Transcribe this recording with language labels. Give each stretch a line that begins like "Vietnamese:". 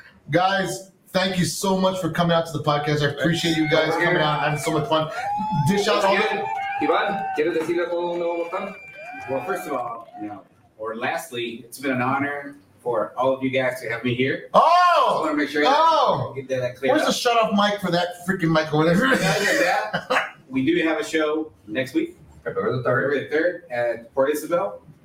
English: Guys, thank you so much for coming out to the podcast. I appreciate you guys coming out. I had so much fun. Dish out all the...
Spanish: Iván, ¿quieres decirle a todo el mundo cómo están?
English: Well, first of all, lastly, it's been an honor for all of you guys to have me here. Oh! I want to make sure that clear. Where's the shut-off mic for that freaking mic or whatever? We do have a show next week, February 3rd, at Port Isabel.